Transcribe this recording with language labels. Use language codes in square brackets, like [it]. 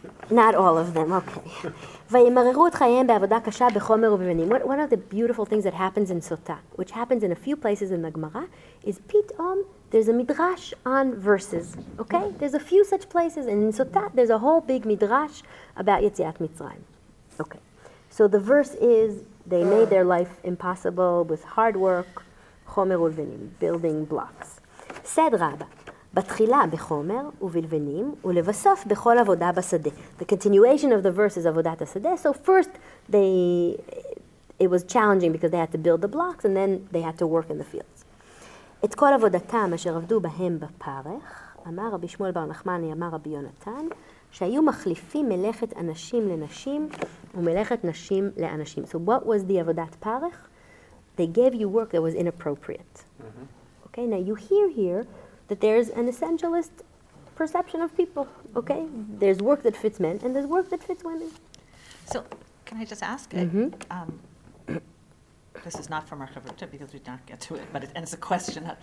[en] Not all of them, okay. One of the beautiful things that happens in Sotah, which happens in a few places in the Gemara, is pitom, there's a midrash on verses, okay? There's a few such places, and in Sotah, there's a whole big midrash about Yetziat Mitzrayim. Okay, so the verse is, they made their life impossible with hard work, chomer uvenim, building blocks. Said Rabbah, [he] בתחילה בחומר ובלבנים ולבסוף בכל עבודה בשדה. [en] The continuation of the verse is [he] עבודת השדה. [en] So first it was challenging because they had to build the blocks and then they had to work in the fields. [he] את כל עבודתם אשר עבדו בהם בפרך, אמר רבי שמואל בר נחמני, אמר רבי יונתן, שהיו מחליפים מלאכת אנשים לנשים ומלאכת נשים לאנשים. [en] So what was the עבודת פרך? They gave you work that was inappropriate. Mm-hmm. Okay, now you hear here that there's an essentialist perception of people, okay? There's work that fits men, and there's work that fits women. So, can I just ask? This is not from our chavruta, because we did not get to it, and it's a question.